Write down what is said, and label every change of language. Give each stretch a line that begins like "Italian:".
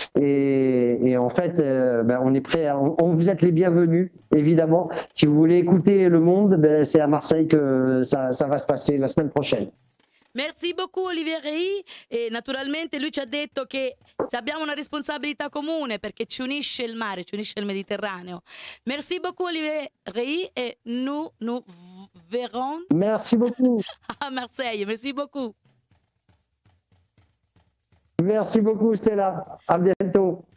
French: Et en fait, on est prêts. On vous êtes les bienvenus, évidemment. Si vous voulez écouter le monde, ben, c'est à Marseille que ça va se passer la semaine prochaine. Merci beaucoup
Italian: Olivier Rey, e naturalmente lui ci ha detto che abbiamo una responsabilità comune perché ci unisce il mare, ci unisce il Mediterraneo.
French: Merci beaucoup Olivier Rey e nous verrons. Merci beaucoup. A Marseille, merci beaucoup. Merci beaucoup Stella, a bientôt.